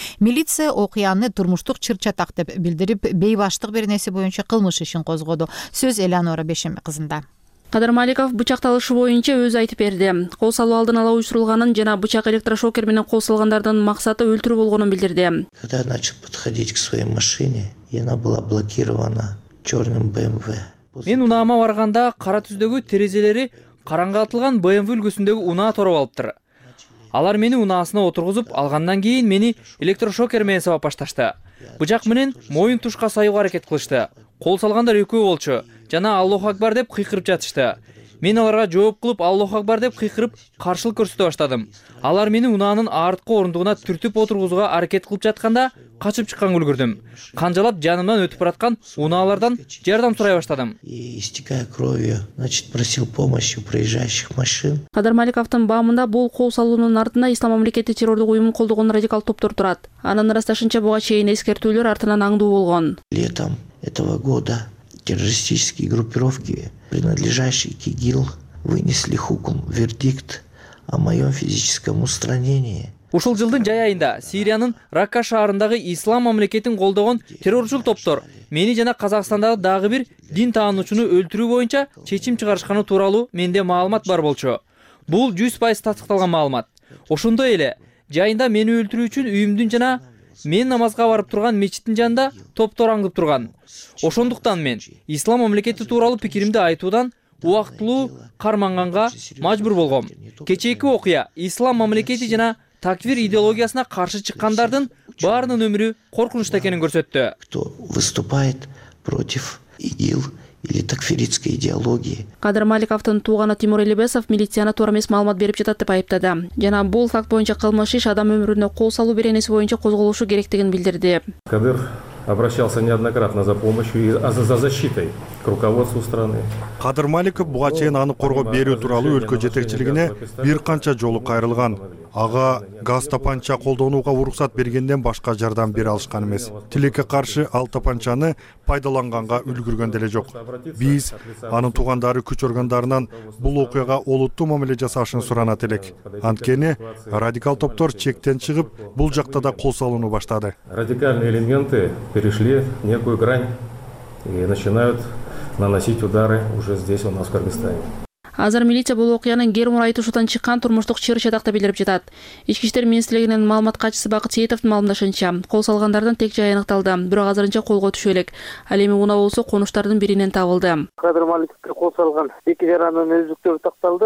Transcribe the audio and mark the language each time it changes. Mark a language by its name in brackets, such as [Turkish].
[Kyrgyz] Милиция окуяны турмуштук чыр чатак деп билдирип, бейбаштык беренеси боюнча кылмыш ишин козгоду. Сөз Элеонора Бешенби кызында. Кадыр Маликов бычакталышы боюнча өзү айтып берди. Кол салуу алдын ала уюштурулганын жана бычак электрошокер менен кол салгандардын максаты өлтүрүү болгонун билдирди. [Russian] Когда начал подходить к своей машине, и она была блокирована чёрным БМВ. [Kyrgyz] Мен унаама барганда кара түздөгү терезелери караңгылатылган БМВ үлгүсүндөгү унаа тороп алыптыр. Алар мени унаасына отургузуп алгандан кийин мени электрошокер менен сабап башташты. Бычак менен моюн тушка саюуга аракет кылышты. Кол салгандар экөө болчу жана Аллах Акбар деп кыйкырып жатышты. Мен аларга жооп кылып Аллах Акбар деп кыйкырып каршылык көрсөтө баштадым. Алар мени унаанын арткы орундугуна түртүп отургузууга аракет кылып жатканда качып чыккан үлгүрдүм. Канжалап жанымдан өтүп бараткан унаалардан жардам сурай баштадым. [Russian] Истекая кровью, значит, просил помощи у проезжающих машин. [Kyrgyz] Кадыр Маликовтун баамында бул кол салуунун артында Ислам мамлекети террордук уюму колдогон радикал топтор турат. Анын ырасташынча буга чейин эскертүүлөр артынан аңдуу болгон. [Russian] Летом этого года террористические группировки, принадлежащие к ИГИЛ, вынесли хукум, вердикт о моем физическом устранении. [Kyrgyz] Ушул жылдын жай айында Сириянын Ракка шаарындагы Ислам мамлекетин колдогон терроризм топтор мени жана Казакстандагы дагы бир дин таануучуну өлтүрүү боюнча чечим чыгарышканы тууралуу менде маалымат бар болчу. Бул 100% тастыкталган маалымат. Ошондой эле жайында мени өлтүрүү үчүн үйүмдүн жана мен намазга барып турган мечиттин жанында топтор аңдып турган. Ошондуктан мен Ислам мамлекети тууралуу пикиримди айтуудан убактылуу карманганга мажбур болгом. Кечээки окуя Ислам мамлекети жана таквир идеологиясына каршы чыккандардын баарынын өмүрү коркунучта экенин көрсөттү. [Russian] Кто выступает против ИГИЛ или таквиритской идеологии? [Kyrgyz] Кадыр Маликовтун тууганы Тимур Элибесов милицияны туура эмес маалымат берип жатат деп айыптады. Жана бул факт боюнча кылмыш иш адам өмүрүнө кол салуу беренеси боюнча козголушу керектигин билдирди. [Russian] Кадыр обращался неоднократно за помощью и за защитой к руководству страны. [Kyrgyz] Кадыр Маликов буга чейин аны коргоо берүү тууралуу өлкө жетекчилигине бир канча жолу кайрылган. Ага газ тапанча колдонууга уруксат бергенден башка жардам бере алышкан эмес. Тилекке каршы ал тапанчаны пайдаланганга үлгүргөн деле жок. Биз анын туугандары, күч органдарынан бул окуяга олуттуу мамиле жасашын суранат элек. Анткени радикал топтор чектен чыгып, бул жакта да кол салынуу баштады. [Russian] Радикальные элементы перешли некую грань и начинают наносить удары уже здесь, у нас, в Кыргызстане. [Kyrgyz] Азыр милиция бул окуянын гермур айтышуудан чыккан турмуштук чыр чатакта билдирип жатат. Ички иштер министрлигинин маалыматкачысы Бакыт Сейитовдун маалымдашынча, кол салгандардын тек жайы аныкталды, бирок азырынча колго түшө элек. Ал эми унаа болсо конуштардын биринен табылды. Кадыр Маликовго кол салган эки жер анын өздүктөрү такталды.